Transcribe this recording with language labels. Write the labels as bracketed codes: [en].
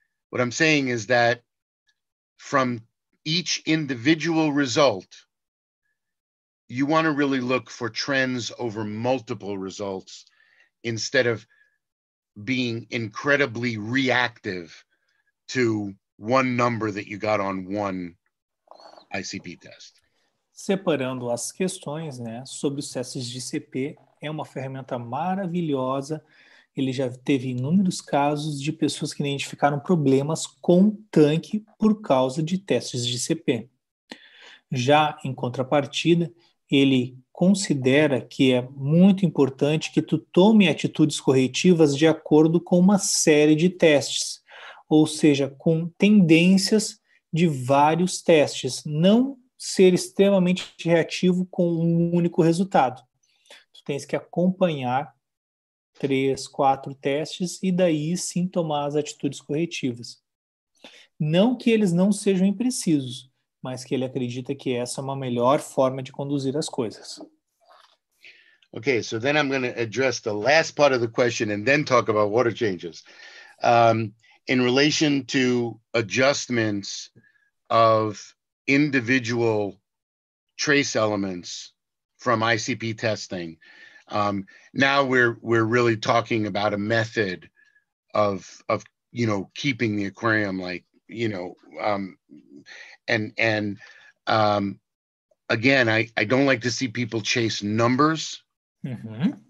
[en] What I'm saying is that from each individual result, you want to really look for trends over multiple results instead of being incredibly reactive to one number that you got on one ICP test. [pt] Separando as questões, né, sobre os testes de ICP, é uma ferramenta maravilhosa. Ele já teve inúmeros casos de pessoas que identificaram problemas com tanque por causa de testes de ICP. Já em contrapartida, ele considera que é muito importante que tu tome atitudes corretivas de acordo com uma série de testes, ou seja, com tendências de vários testes, não ser extremamente reativo com um único resultado. Tu tens que acompanhar 3, 4 testes e daí sim tomar as atitudes corretivas. Não que eles não sejam imprecisos, mas que ele acredita que essa é uma melhor forma de conduzir as coisas. [en] Okay, so then I'm going to address the last part of the question and then talk about water changes. In relation to adjustments of individual trace elements from ICP testing, now we're really talking about a method of you know, keeping the aquarium, like, you know, again, I don't like to see people chase numbers. Mm-hmm.